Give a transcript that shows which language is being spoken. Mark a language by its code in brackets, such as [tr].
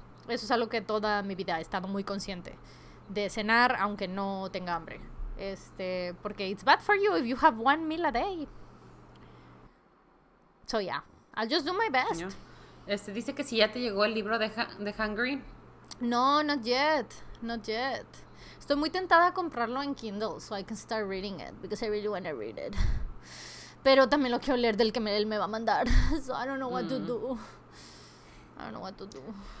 [es] Eso es algo que toda mi vida he estado muy consciente. De cenar, aunque no tenga hambre. [en] Porque it's bad for you if you have one meal a day. So yeah. I'll just do my best. [es] Dice que si ya te llegó el libro de Hungry. [en] No, not yet. Not yet. [es] Estoy muy tentada a comprarlo en Kindle [en] so I can start reading it because I really want to read it. [es] Pero también lo quiero leer del que él me va a mandar. [en] So I don't know what to do.